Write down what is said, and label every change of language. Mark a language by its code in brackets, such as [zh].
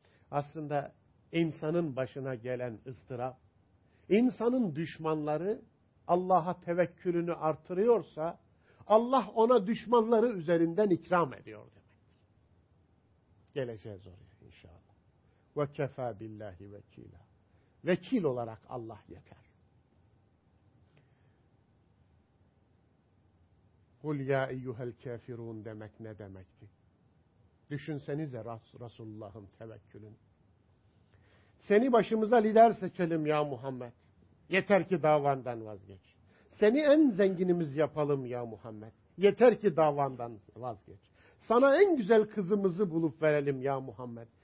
[tr] Aslında insanın başına gelen ıstırap, insanın düşmanları Allah'a tevekkülünü artırıyorsa, Allah ona düşmanları üzerinden ikram ediyor demektir. Geleceğiz oraya inşallah. [ar] وَكَفَى بِاللّٰهِ وَك۪يلًا [tr] Vekil olarak Allah yeter. [ar] قُلْ يَا اَيُّهَا الْكَافِرُونَ [tr] demek ne demekti? Düşünsenize Resulullah'ın tevekkülün. Seni başımıza lider seçelim ya Muhammed. Yeter ki davandan vazgeç. Seni en zenginimiz yapalım ya Muhammed. Yeter ki davandan vazgeç. Sana en güzel kızımızı bulup verelim ya Muhammed.